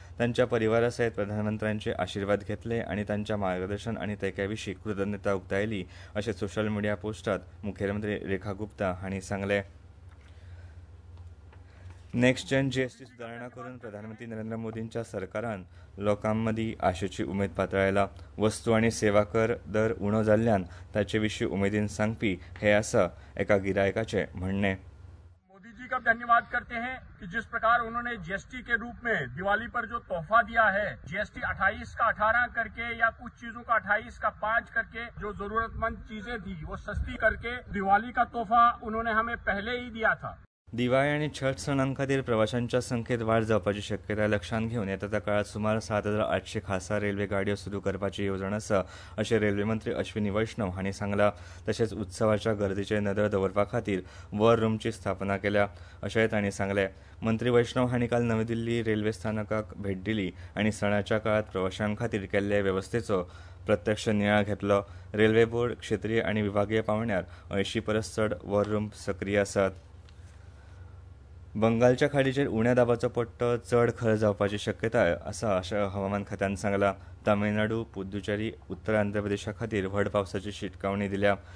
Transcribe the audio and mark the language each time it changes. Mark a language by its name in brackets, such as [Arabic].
[Goan Konkani] तांच्या परिवारासयत प्रधानमंत्र्यांचे आशिर्वाद घेतले आनी तांच्या मार्गदर्शन आनी तेंक्या विशीं कृतज्ञता उक्तायली अशें सोशल मिडिया पोस्टांत मुखेलमंत्री रेखा गुप्ता हांणी सांगले। नेक्स्ट जेन जीएसटी सुदारणा करून प्रधानमंत्री नरेंद्र मोदींच्या सरकारान लोकां मदीं आशेची उमेद पातळायला। वस्तू आनी सेवा कर दर उणो जाल्ल्यान ताचे विशीं उमेदीन सांगपी हे आसा एका गिरायकाचे म्हणणे। [Hindi] मोदीजी का धन्यवाद करते हैं कि जिस प्रकार उन्होंने जीएसटी के रूप में दिवाली पर जो तोहफा दिया है, जीएसटी 28 का 18 करके या कुछ चीजों का 28 का 5 करके जो जरूरतमंद चीजें दी वो सस्ती करके दिवाली का तोहफा उन्होंने हमें पहले ही दिया था। [Goan Konkani] दिवाळी आनी छठ सणां खातीर प्रवाशांच्या संख्येत वाढ जावपाची शक्यता लक्षांत घेवन येता त्या काळात सुमार 7800 खासा रेल्वे गाडयो सुरू करपाची येवजण आसा अशें रेल्वे मंत्री अश्विनी वैष्णव हांणी सांगला। तशेंच उत्सवाच्या गर्दीचेर नदर दवरपा खातीर वॉर रूमची स्थापना केल्या अशेंय तांणी सांगले। मंत्री वैष्णव हांणी काल नवी दिल्ली रेल्वे स्थानकाक भेट दिली आनी सणाच्या काळात प्रवाशां खातीर केल्ले वेवस्थेचो प्रत्यक्ष नियाळ घेतलो। रेल्वे बोर्ड, क्षेत्रीय आनी विभागीय पांवड्यार 80 परस चड वॉर रूम सक्रीय आसात। बंगालच्या खाडीचेर उण्या दाबाचो पट्टो चड खर जावपाची शक्यताय आसा अशें हवामान खात्यान सांगला। तामिळनाडू, पुद्दुचेरी, उत्तर आंध्र प्रदेशा खातीर व्हड पावसाची शिटकावणी दिल्या।